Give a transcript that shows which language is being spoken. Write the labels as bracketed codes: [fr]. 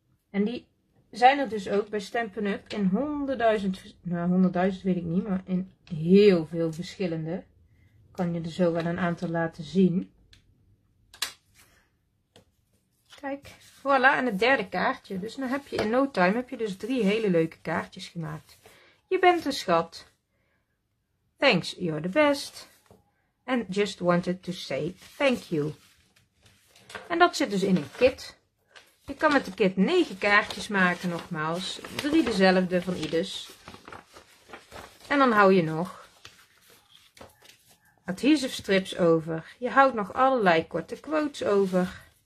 [nl] En die zijn er dus ook bij Stampin' Up in 100.000, nou 100.000 weet ik niet, maar in heel veel verschillende. Kan je er zo wel een aantal laten zien. Kijk, voilà, en het derde kaartje. Dus dan heb je in no time heb je dus drie hele leuke kaartjes gemaakt. Je bent een schat. [en] Thanks, you're the best. And just wanted to say thank you. [nl] En dat zit dus in een kit. Je kan met de kit 9 kaartjes maken nogmaals. 3 dezelfde van ieders. En dan hou je nog adhesive strips over. Je houdt nog allerlei korte quotes over.